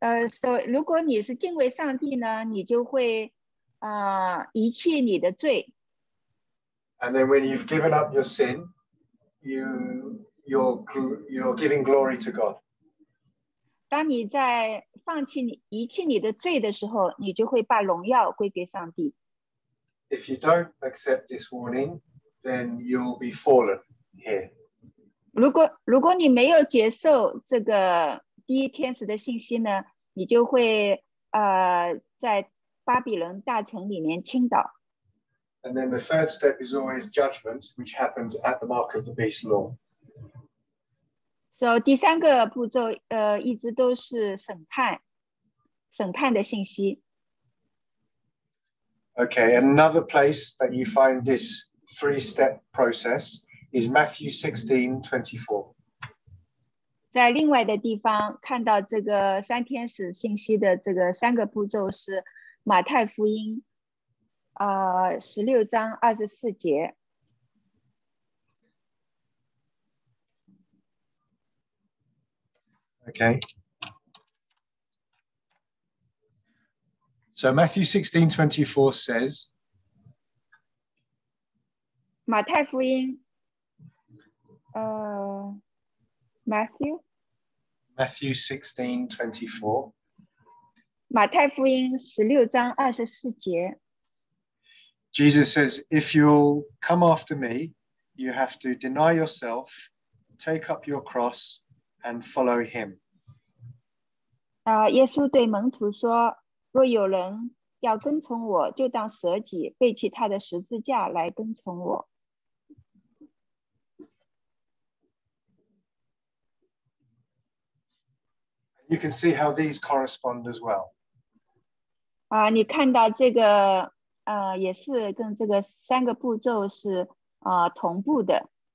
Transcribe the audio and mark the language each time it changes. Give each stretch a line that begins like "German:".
Chinese: So 如果你是敬畏上帝呢，你就会遗弃你的罪。
English: And then when you've given up your sin, you're giving glory to God.
Chinese: 当你在放弃你遗弃你的罪的时候，你就会把荣耀归给上帝。
English: If you don't accept this warning, then you'll be fallen here.
Chinese: 如果你没有接受这个第一天使的信息呢，你就会在巴比伦大城里面倾倒。
English: And then the third step is always judgment, which happens at the mark of the beast law.
Chinese: So 第三个步骤一直都是审判的信息。
English: Okay, another place that you find this three-step process is Matthew 16:24.
Chinese: 在另外的地方看到这个三天使信息的这个三个步骤是马太福音16章24节。
English: Okay. So Matthew 16:24 says,
Chinese: 马太福音Matthew 16:24, 马太福音16章24节。
English: Jesus says, if you'll come after me, you have to deny yourself, take up your cross, and follow him.
Chinese: 耶稣对门徒说，若有人要跟从我，就当舍己，背起他的十字架来跟从我。
English: You can see how these correspond as well.
Chinese: 你看到这个也是跟这个三个步骤是同步的。